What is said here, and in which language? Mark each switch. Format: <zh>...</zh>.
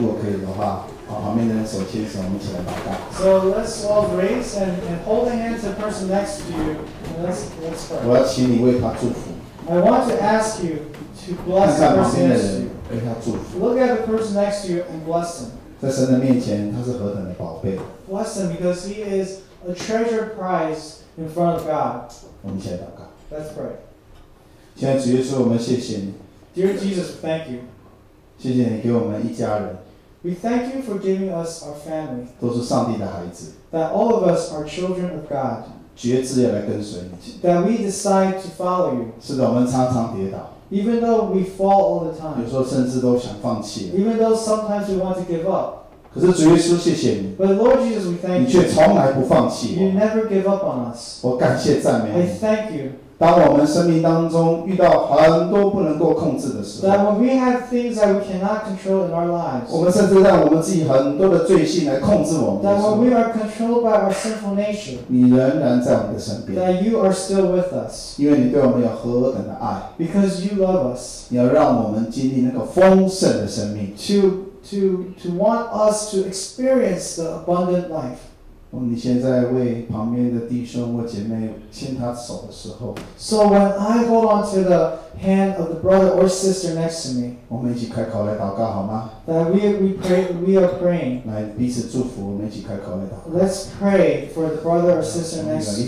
<zh>好不好？我们一起站起来，如果可以的话，把旁边的人手牵手，我们一起来祷告。</zh> <en>So let's all raise and hold the hands of the person next to you. And let's pray.</en> <zh>我要请你为他祝福。</zh> <en>I want to ask you to bless the person next to you.</en> <zh>为他祝福。</zh> <en>Look at the person next to you and bless them.</en> <zh>在神的面前，他是何等的宝贝。</zh> <en>Bless him because he is a treasure prize in front of God.</en> <zh>我们一起来祷告。</zh> <en>Let's pray.</en> <zh>现在主耶稣，我们谢谢你。</zh> <en>Dear Jesus, thank you.</en> <zh>谢谢你给我们一家人。</zh> <en>We thank you for giving us our family.</en> <zh>都是上帝的孩子。</zh> <en>That all of us are children of God.</en> <zh>决志要来跟随你。</zh> <en>That we decide to follow you.</en> <zh>是的，我们常常跌倒。</zh> <en>Even though we fall all the time.</en> <zh>有时候甚至都想放弃。</zh> <en>Even though sometimes we want to give up.</en> <zh>可是主耶稣，谢谢你。</zh> <en>But Lord Jesus, we thank you.</en> <zh>你却从来不放弃。</zh> <en>You never give up on us.</en> <zh>我感谢赞美你。</zh> <en>I thank you.</en> <zh>当我们生命当中遇到很多不能够控制的时候</zh> <en>that when we have things that we cannot control in our lives,</en> <zh>我们甚至让我们自己很多的罪性来控制我们的时候</zh> <en>that when we are controlled by our sinful nature,</en> <zh>你仍然在我们的身边</zh> <en>that you are still with us,</en> <zh>因为你对我们有何等的爱</zh> <en>because you love us,</en> <zh>你要让我们经历那个丰盛的生命</zh> <en>to want us to experience the abundant life.</en> <zh>你现在为旁边的弟兄或姐妹牵他手的时候</zh> <en>So when I hold on to the hand of the brother or sister next to me</en> <zh>我们一起开口来祷告好吗</zh> <en>That we are praying</en> <zh>来彼此祝福我们一起开口来祷告</zh> <en>Let's pray for the brother or sister next to me</en>